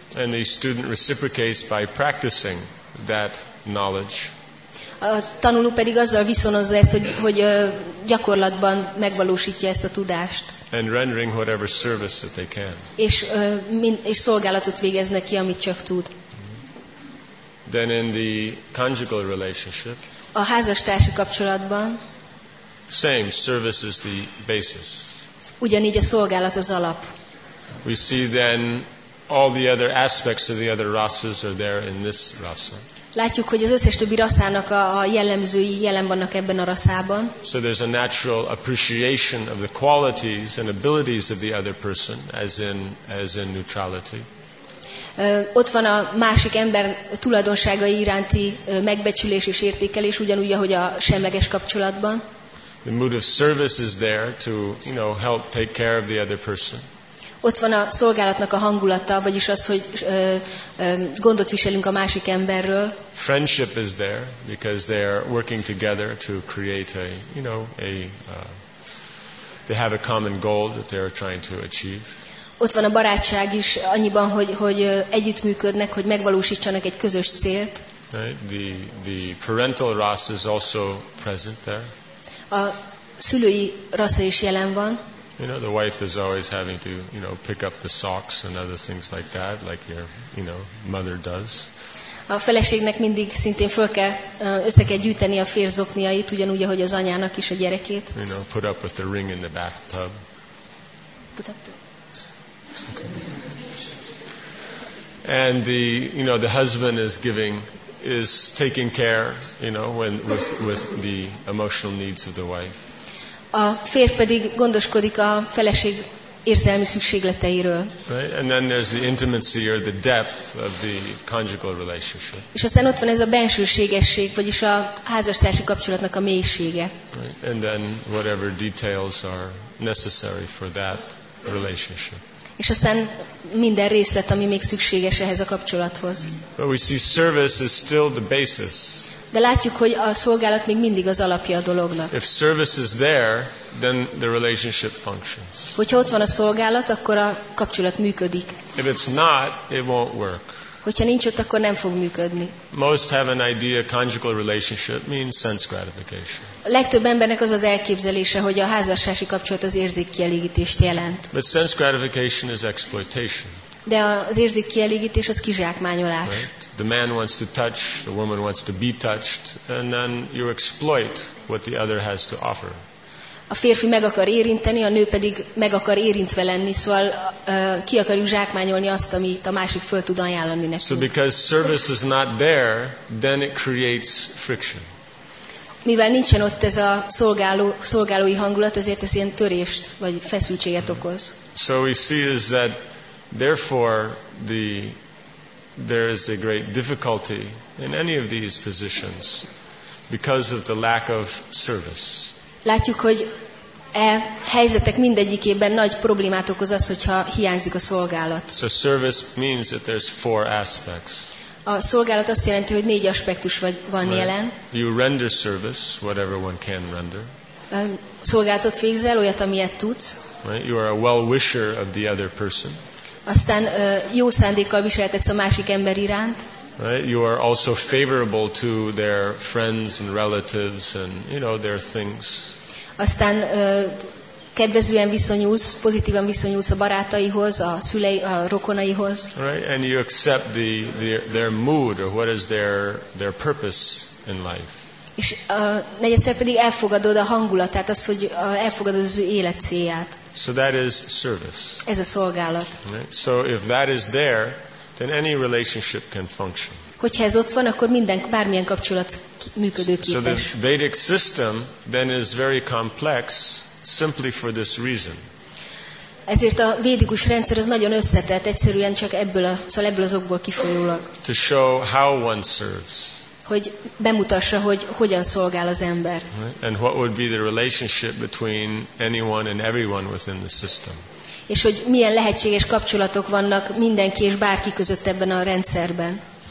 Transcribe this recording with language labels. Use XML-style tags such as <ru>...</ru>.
<en>And the student reciprocates by practicing that knowledge.</en> <hu>A tanuló pedig azzal viszonozza ezt, hogy gyakorlatban megvalósítja ezt a tudást.</hu> <en>And rendering whatever service that they can.</en> <hu>És szolgálatot végez neki, amit csak tud.</hu> <en>Then in the conjugal relationship.</en> <hu>A házastársi kapcsolatban.</hu> <en>Same, service is the basis.</en> <hu>Ugyanígy a szolgálat az alap.</hu> <en>We see then all the other aspects of the other rasas are there in this rasa.</en> <hu>Látjuk, hogy az összes többi rasszának a jellemzői jelen vannak ebben a rasszában.</hu> <en>So there's a natural appreciation of the qualities and abilities of the other person, as in neutrality.</en> <hu>Ott van a másik ember tulajdonságai iránti megbecsülés és értékelés, ugyanúgy, ahogy a semleges kapcsolatban.</hu> <en>The mood of service is there to, you know, help take care of the other person.</en> <hu>Ott van a szolgálatnak a hangulata, vagyis az, hogy gondot viselünk a másik emberről.</hu> <en>Friendship is there because they are working together to create a, you know, a they have a common goal that they are trying to achieve.</en> <hu>Ott van a barátság is annyiban, hogy együttműködnek, hogy megvalósítsanak egy közös célt.</hu> <en>Right? The parental ras is also present there.</en> <hu>A szülői rasza is jelen van.</hu> <en>You know, the wife is always having to, you know, pick up the socks and other things like that, like your, you know, mother does.</en> <hu>A feleségnek mindig szintén föl kell, össze kell gyűjteni a férzokniait, ugyanúgy, ahogy az anyának is a gyerekét.</hu> <en>You know, put up with the ring in the bathtub. Put up the... Okay. And the, you know, the husband is taking care, you know, with the emotional needs of the wife.</en> <hu>A férj pedig gondoskodik a feleség érzelmi szükségleteiről.</hu> <en>Right? And then there's the intimacy or the depth of the conjugal relationship.</en> <hu>És aztán ott van ez a bensőségesség, vagyis a házastársi kapcsolatnak a mélysége.</hu> <en>Right? And then whatever details are necessary for that relationship.</en> <hu>és aztán minden részlet, ami még szükséges ehhez a kapcsolathoz.</hu> <en>But we see service is still the basis.</en> <hu>De látjuk, hogy a szolgálat még mindig az alapja a dolognak.</hu> <en>If service is there, then the relationship functions.</en> <hu>Hogyha ott van a szolgálat, akkor a kapcsolat működik.</hu> <en>If it's not, it won't work.</en> <hu>Hogyha nincs ott, akkor nem fog működni.</hu> <en>Most have an idea conjugal relationship means sense gratification.</en> <hu>A legtöbb embernek az az elképzelése, hogy a házassági kapcsolat az érzékkielégítést jelent.</hu> <en>But sense gratification is exploitation.</en> <hu>De az érzékkielégítés az kizsákmányolás.</hu> <en>Right? The man wants to touch, the woman wants to be touched, and then you exploit what the other has to offer.</en> <hu>A férfi meg akar érinteni, a nő pedig meg akar érintve lenni, szóval ki akarjuk zsákmányolni azt, amit a másik föl tud ajánlani nekünk.</hu> <en>So because service is not there, then it creates friction.</en> <hu>Mivel nincsen ott ez a szolgálói hangulat, ezért ez ilyen törést vagy feszültséget okoz.</hu> <en>So we see is that therefore there is a great difficulty in any of these positions because of the lack of service.</en> <hu>Látjuk, hogy e helyzetek mindegyikében nagy problémát okoz az, hogyha hiányzik a szolgálat.</hu> <en>So service means that there's four aspects.</en> <hu>A szolgálat azt jelenti, hogy négy aspektus van jelen.</hu> <en>You render service, whatever one can render.</en> <hu>Szolgálatot végzel, olyat, amilyet tudsz.</hu> <en>Right? You are a well-wisher of the other person.</en> <hu>Aztán jó szándékkal viselkedsz a másik ember iránt.</hu> <en>Right? You are also favorable to their friends and relatives and, you know, their things.</en> <hu>Aztán kedvezően viszonyulsz, pozitívan viszonyulsz a barátaihoz, a szülei, a rokonaihoz.</hu> <en>Right? And you accept their mood or what is their purpose in life.</en> <hu>És negyedszer pedig elfogadod a hangulatát, azt, hogy elfogadod az ő élet célját.</hu> <en>So that is service.</en> <hu>Ez a szolgálat.</hu> <en>Right? So if that is there, then any relationship can function.</en> <hu>Hogyha ez ott van, akkor minden, bármilyen kapcsolat működőképes.</hu> <en>So the Vedic system then is very complex simply for this reason.</en> <hu>Ezért a védikus rendszer az nagyon összetett, egyszerűen csak ebből az okból kifolyólag.</hu> <en>To show how one serves.</en> <hu>Hogy bemutassa, hogy hogyan szolgál az ember.</hu> <en>Right? And what would be the relationship between anyone and everyone within the system.</en> <hu>És hogy milyen lehetséges kapcsolatok vannak mindenki és bárki között ebben a rendszerben.</hu>